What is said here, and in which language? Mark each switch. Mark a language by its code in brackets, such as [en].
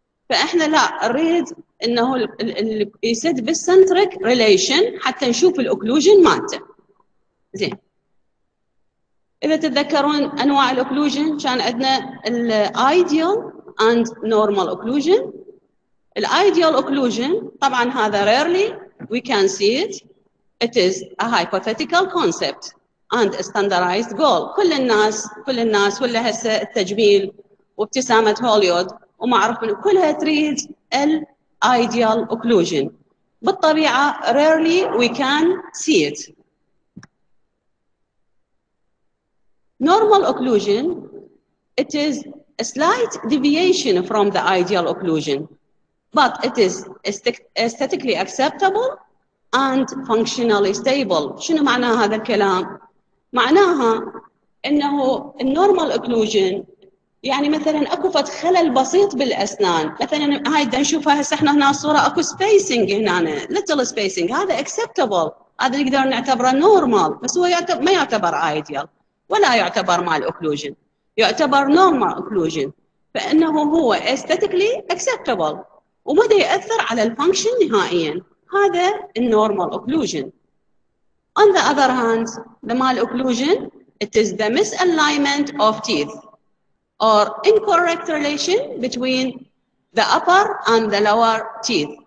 [ar] فاحنا لا، نريد انه يسد بالسنتريك ريليشن حتى نشوف الاوكلوجن مالته. زين، اذا تتذكرون انواع الاوكلوجن، كان عندنا الايديال اند نورمال اوكلوجن. [en] الايديال اوكلوجن [ar] طبعا هذا [en] Rarely we can see it. It is a hypothetical concept and a standardized goal. [ar] كل الناس، كل الناس، ولا هسه التجميل وابتسامة هوليود وما اعرف من، كلها تريد ال ideal occlusion. بالطبيعة [en] rarely we can see it. Normal occlusion, it is a slight deviation from the ideal occlusion, but it is aesthetically acceptable and functionally stable. [ar] شنو معنى هذا الكلام؟ معناها انه النورمال اوكلوجن يعني مثلا اكو فد خلل بسيط بالاسنان، مثلا هاي دا نشوفها هسه احنا هنا الصوره، اكو سبيسنج هنا ليتل سبيسنج، هذا اكسبتبل، هذا نقدر نعتبره نورمال، بس هو يعتبر ما يعتبر ايديال ولا يعتبر مال اوكلوجن، يعتبر نورمال اوكلوجن. فانه هو استاتيكلي اكسبتبل وما ياثر على الفانكشن نهائيا، هذا النورمال اوكلوجن. [en] On the other hand, the mal occlusion, it is the misalignment of teeth or incorrect relation between the upper and the lower teeth.